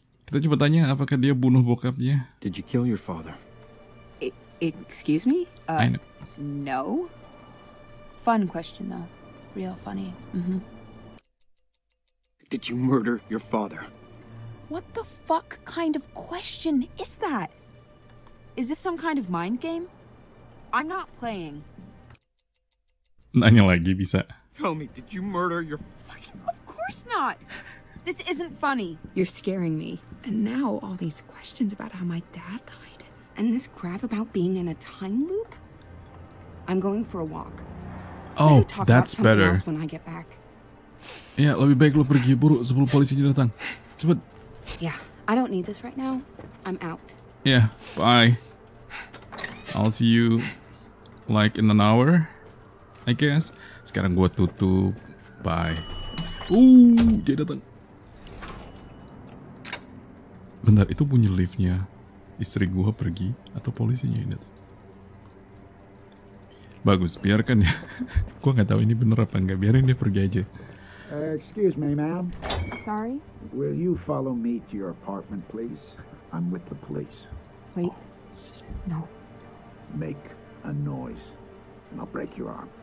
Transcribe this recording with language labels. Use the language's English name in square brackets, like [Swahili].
[Indonesian] Kita coba tanya apakah dia bunuh bokapnya? [English] Did you kill your father? Excuse me? I know. No. Fun question though. Real funny. Did you murder your father? What the fuck kind of question is that? Is this some kind of mind game? I'm not playing. [Indonesian] Nanya lagi bisa. [English] Tell me, did you murder your fucking... Of course not! This isn't funny. You're scaring me. And now all these questions about how my dad died. And this crap about being in a time loop. I'm going for a walk. Oh, that's better. When I get back. Yeah, [Indonesian] lebih baik lo pergi buru sebelum polisinya datang. Cepet. [English] Yeah, I don't need this right now. I'm out. Yeah, bye. I'll see you like in an hour. I guess. [Indonesian] Sekarang gua tutup. Bye. Dia datang. Bentar, itu bunyi liftnya. Istri gua pergi atau polisinya ini datang? Bagus, biarkan ya. Gua nggak tahu ini benar apa enggak. Biarin dia pergi aja. [English] Excuse me, ma'am. Sorry. Will you follow me to your apartment, please? I'm with the police. Wait. No. Make a noise, and I'll break your arm.